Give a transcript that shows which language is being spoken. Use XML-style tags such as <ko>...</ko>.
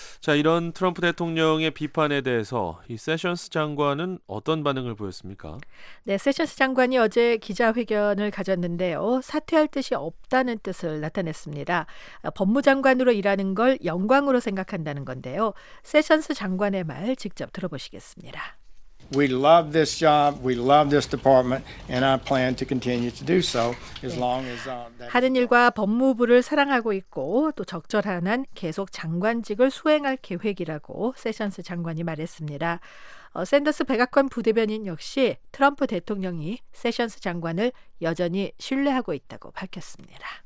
<ko>자, 이런 트럼프 대통령의 비판에 대해서 이 세션스 장관은 어떤 반응을 보였습니까? 네, 세션스 장관이 어제 기자회견을 가졌는데요. 사퇴할 뜻이 없다는 뜻을 나타냈습니다. 법무장관으로 일하는 걸 영광으로 생각한다는 건데요. 세션스 장관의 말 직접 들어보시겠습니다.</ko> <en>We love this job. We love this department, and I plan to continue to do so as long as.</en> <ko>하는 일과 법무부를 사랑하고 있고 또 적절한 한 계속 장관직을 수행할 계획이라고 세션스 장관이 말했습니다. 샌더스 백악관 부대변인 역시 트럼프 대통령이 세션스 장관을 여전히 신뢰하고 있다고 밝혔습니다.</ko>